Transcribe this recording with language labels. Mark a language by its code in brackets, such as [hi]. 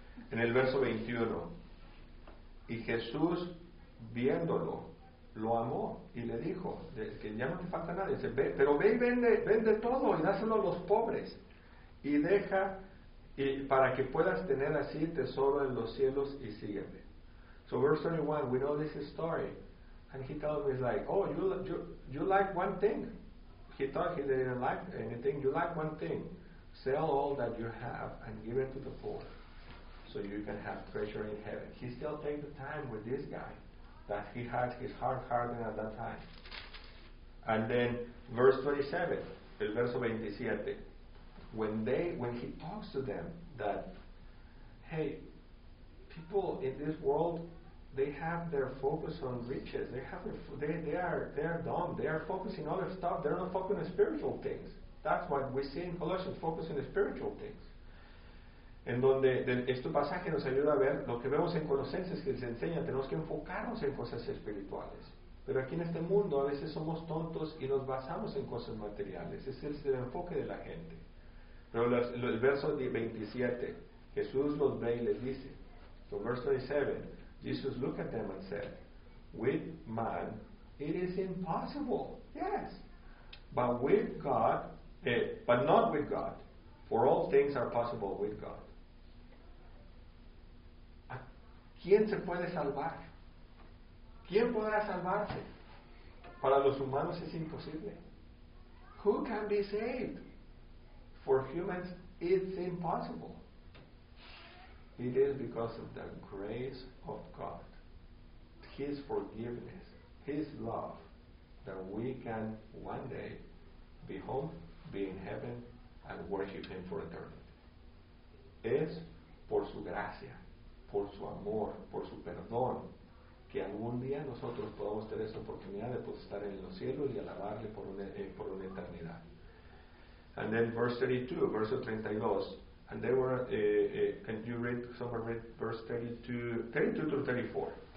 [es] En el verso 21. Y Jesús, viéndolo, lo amó y le dijo, que ya no te falta nada, dice, ve, pero ve y vende todo y dáselo a los pobres y deja, y para que puedas tener así tesoro en los cielos y sígueme. [en] So verse 21, we know this story, and he tells me, he's like, oh, you like one thing. He thought he didn't like anything. You like one thing, sell all that you have and give it to the poor so you can have treasure in heaven. He still takes the time with this guy that he had his heart hardened at that time. And then verse 27, [es] el verso 27, [en] when he talks to them that, hey, people in this world, they have their focus on riches. They have their they are dumb. They are focusing on other stuff. They're not focusing on spiritual things. That's what we see in Colossians, focusing on spiritual things. [es] En donde este pasaje nos ayuda a ver lo que vemos en Colosenses que les enseña, tenemos que enfocarnos en cosas espirituales. Pero aquí en este mundo a veces somos tontos y nos basamos en cosas materiales. Ese es el enfoque de la gente. Pero el verso 27, Jesús los ve y les dice. [en] So verse 27, Jesus looked at them and said, with man it is impossible, yes, but with God, but not with God, for all things are possible with God. [es] ¿Quién se puede salvar? ¿Quién podrá salvarse? Para los humanos es imposible. [en] Who can be saved? For humans, it's impossible. It is because of the grace of God, His forgiveness, His love, that we can one day be home, be in heaven, and worship Him for eternity. [es] Es por su gracia, por su amor, por su perdón, que algún día nosotros podamos tener esa oportunidad de estar en los cielos y alabarle por una eternidad. [en] And then verse 32, verso 32, and they were, can you read, someone read verse 32 to 34.